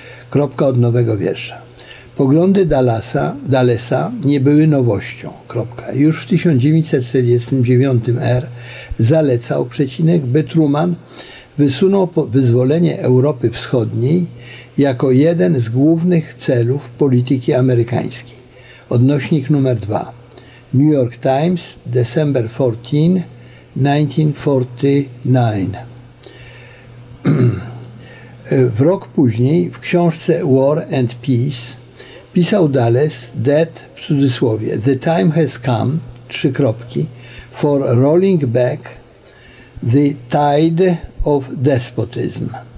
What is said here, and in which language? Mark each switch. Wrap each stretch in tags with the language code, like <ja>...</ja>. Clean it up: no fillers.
<pl>Kropka od nowego wiersza. Poglądy Dallesa nie były nowością. Kropka. Już w 1949 r. zalecał przecinek, by Truman wysunął wyzwolenie Europy Wschodniej jako jeden z głównych celów polityki amerykańskiej. Odnośnik numer 2.</pl> <en>New York Times, December 14, 1949.</en> <pl>W rok później w książce</pl> <en>War and Peace</en> <pl>pisał Dulles</pl> <en>that,</en> <pl>w cudzysłowie,</pl> <en>the time has come,</en> <pl>trzy kropki,</pl> <en>for rolling back the tide of despotism.</en>